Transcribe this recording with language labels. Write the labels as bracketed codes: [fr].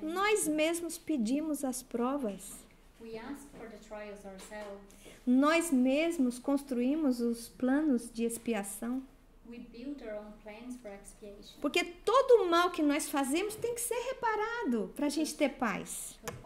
[pt] Nós mesmos pedimos as provas. [en] We ask for the trials ourselves. [pt] Nós mesmos construímos os planos de expiação. [en] We build our own plans for expiation. [pt] Porque todo o mal que nós fazemos tem que ser reparado para a gente ter paz.